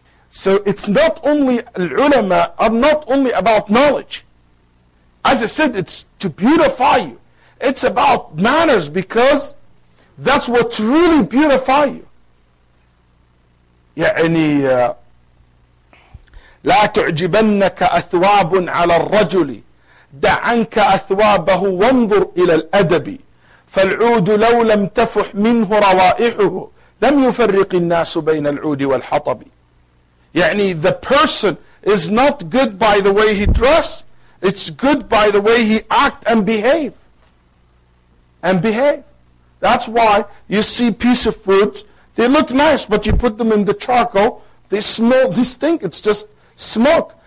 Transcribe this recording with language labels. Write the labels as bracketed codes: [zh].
[en] So it's not only al-ulama, are not only about knowledge. As I said, it's to beautify you. It's about manners, because that's what really beautify you. [ar] يعني لا تعجبنك أثواب على الرجل دع عنك أثوابه وانظر إلى الأدب فالعود لو لم تفح منه روائحه لم يفرق الناس بين العود والحطب. [en] يعني the person is not good by the way he dress, it's good by the way he act and behave. That's why you see piece of wood, they look nice, but you put them in the charcoal, they smell, they stink, it's just smoke.